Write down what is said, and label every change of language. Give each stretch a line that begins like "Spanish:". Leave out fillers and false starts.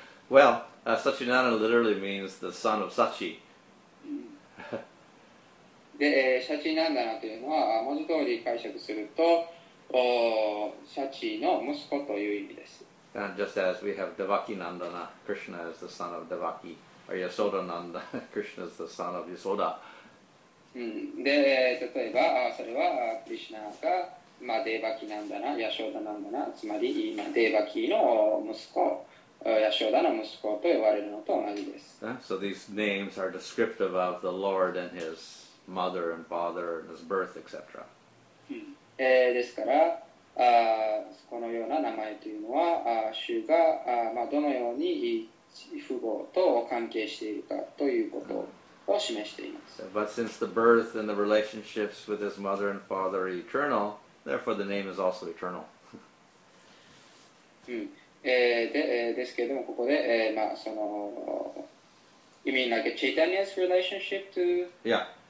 English: Well, Shachinanda literally means the son of Sachi.
Japanese: でシャチナンダナというのは文字通り解釈するとシャチの息子という意味です。
English: And just as we have Devaki Nandana, Krishna is the son of Devaki, or Yasoda Nandana, Krishna is the son of Yasoda.
Japanese: で例えばそれはクリシナが、まあ、デバキナンダナ、ヤショーダナンダナ、つまり、まあ、デバキの息子。
English: So these names are descriptive of the Lord and his mother and father and his birth, etc.
Japanese: ですから、このような名前というのは、主が、まあ、どのように父母と関係しているかということを示しています。
English: But since the birth and the relationships with his mother and father are eternal, therefore the name is also eternal.
Japanese: ですけれども、ここで、まあ、その、
English: you mean like a Chaitanya's relationship to? Yeah.